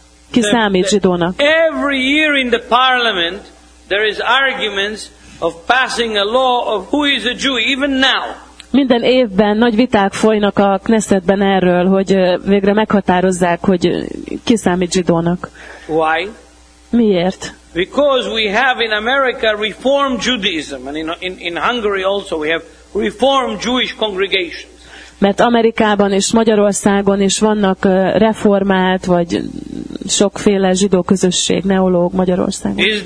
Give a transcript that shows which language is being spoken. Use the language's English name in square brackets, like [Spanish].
[Hungarian] Ki számít zsidónak. [English] Every year in the parliament there is arguments of passing a law of who is a Jew, even now. [Hungarian] Minden évben nagy viták folynak a Knessetben erről, hogy végre meghatározzák, hogy ki számít zsidónak. [English] Why? [Hungarian] Miért? [English] Because we have in America Reform Judaism, and in Hungary also we have Reform Jewish congregations. [Hungarian] Mert Amerikában és Magyarországon is vannak reformált vagy sokféle zsidó közösség, neológ Magyarországon.